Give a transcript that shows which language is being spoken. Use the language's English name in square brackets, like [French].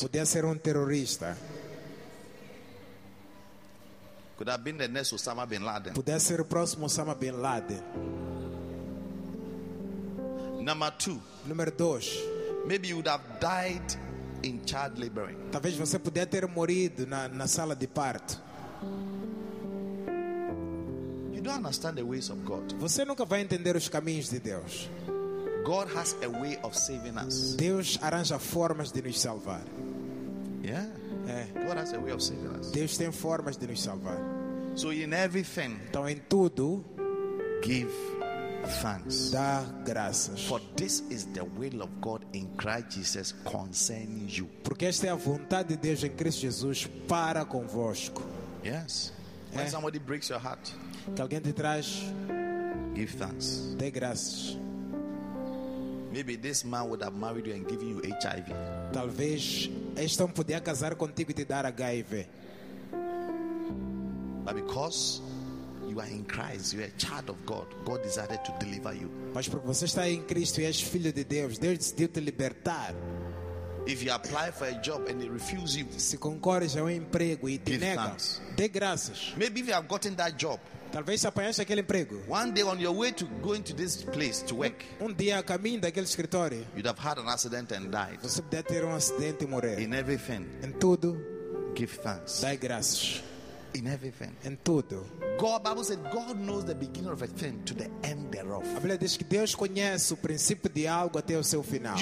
[Portuguese] Podia ser terrorista. [English] Could have been the next Osama bin Laden. [Portuguese] Podia ser o próximo Osama bin Laden. [English] Number two. [Portuguese] Número dois. [English] Maybe you would have died in child laboring. [Portuguese] Talvez você pudesse ter morrido na sala de parto. [English] You don't understand the ways of God. [Portuguese] Você nunca vai entender os caminhos de Deus. [English] God has a way of saving us. [Portuguese] Deus arranja formas de nos salvar. [English] Yeah. [Portuguese] É. [English] God has a way of saving us. [Portuguese] Deus tem formas de nos salvar. [English] So in everything. [Portuguese] Então em tudo. [English] Give. Thanks. [Portuguese] Dá graças. [English] For this is the will of God in Christ Jesus concerning you. [Portuguese] Porque esta é a vontade de Deus em Cristo Jesus para convosco. [English] Yes. When somebody breaks your heart, [Portuguese] que alguém te traz, [English] give thanks. [Portuguese] Dê graças. [English] Maybe this man would have married you and given you HIV. [Portuguese] Talvez este homem podia casar contigo e te dar HIV. [English] But because You are in Christ. You are a child of God. God decided to deliver you. [Portuguese] Mas porque você está em Cristo e és filho de Deus, Deus decidiu te libertar. [English] If you apply for a job and they refuse you, [Portuguese] se concorres a emprego e te nega, dê graças. [English] Maybe if you have gotten that job, [Portuguese] talvez apanhaste aquele emprego. [English] One day on your way to going to this place to work, [Portuguese] dia a caminho daquele escritório, [English] you'd have had an accident and died. [Portuguese] Você poderia ter acidente e morrer. [English] In everything, [Portuguese] em tudo, [English] give thanks. [Portuguese] Dê graças. [English] In everything, [Portuguese] em tudo. [English] God, Bible said, God knows the beginning of a thing to the end thereof. [Portuguese] A Bíblia diz que Deus conhece o princípio de algo até o seu final.